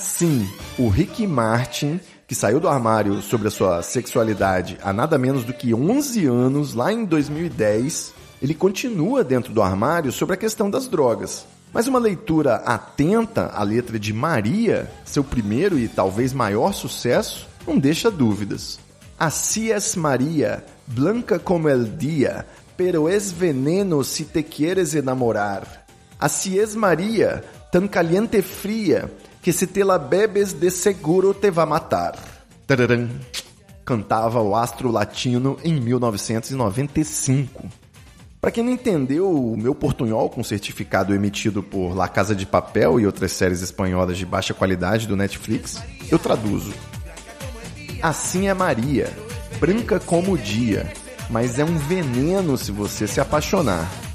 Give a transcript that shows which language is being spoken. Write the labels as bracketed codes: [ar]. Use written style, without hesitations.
[pt] Sim, o Rick Martin, que saiu do armário sobre a sua sexualidade há nada menos do que 11 anos, lá em 2010, ele continua dentro do armário sobre a questão das drogas. Mas uma leitura atenta à letra de Maria, seu primeiro e talvez maior sucesso, não deixa dúvidas. [es] Así es Maria, blanca como el día, pero es veneno si te quieres enamorar. Así es Maria, tan caliente fría, que se te la bebes de seguro te va matar. Tararam. [pt] Cantava o astro latino em 1995. Pra quem não entendeu, o meu portunhol com certificado emitido por [es] La Casa de Papel [pt] e outras séries espanholas de baixa qualidade do Netflix, eu traduzo. Assim é Maria, branca como o dia, mas é um veneno se você se apaixonar.